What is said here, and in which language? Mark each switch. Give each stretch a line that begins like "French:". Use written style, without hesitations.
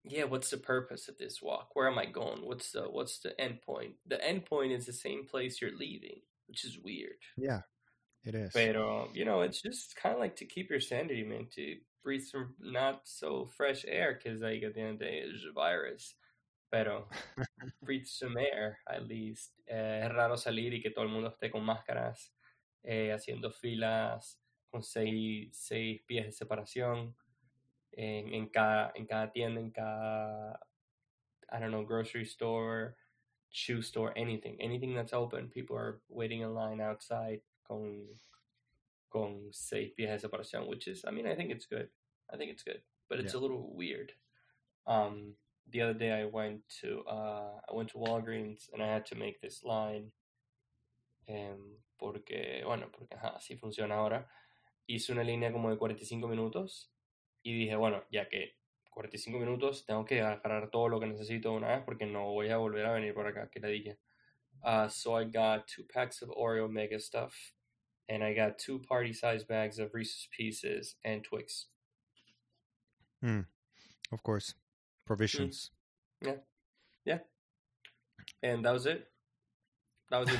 English: what's the purpose of this walk? Where am I going? What's the end point? The end point is the same place you're leaving, which is weird. Yeah, it is. But it's just kind of like to keep your sanity, man, to breathe some not so fresh air, because like at the end of the day there's a virus.
Spanish: Pero
English: breathe some air at least.
Spanish: Es raro salir y que todo el mundo esté con máscaras, haciendo filas con seis pies de separación. En cada tienda, en cada,
English: I don't know, grocery store, shoe store, anything that's open, people are waiting in line outside
Spanish: con 6 pies de separación,
English: which is, I think it's good. I think it's good, but it's a little weird. The other day I went to Walgreens and I had to make this line,
Spanish: porque ajá, así funciona ahora. Hice una línea como de 45 minutos. Y dije, bueno, ya que 45 minutos, tengo que agarrar todo lo que necesito de una vez porque no voy a volver a venir por acá, que la dije.
English: So I got 2 packs of Oreo Mega stuff, and I got 2 party-sized bags of Reese's Pieces and Twix. Of course, provisions. And that was it. That was it.